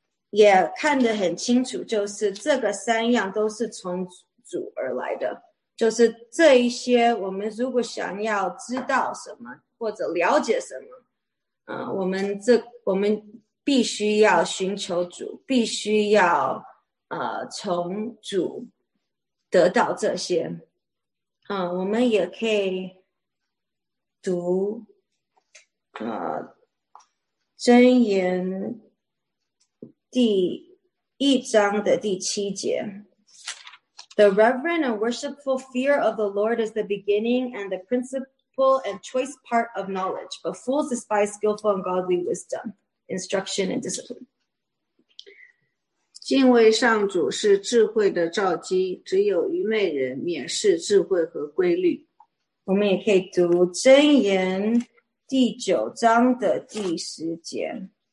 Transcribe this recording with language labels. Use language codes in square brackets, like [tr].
[zh] 也看得很清楚，就是这个三样都是从主而来的，就是这一些我们如果想要知道什么或者了解什么，我们必须要寻求主，必须要从主得到这些。我们也可以读箴言第一章的第七节。 [en] The reverent and worshipful fear of the Lord is the beginning and the principal and choice part of knowledge, but fools despise skillful and godly wisdom, instruction and discipline. [zh] 敬畏上主是智慧的召集，只有愚昧人蔑视智慧和规律。我们也可以读箴言第九章的第十节。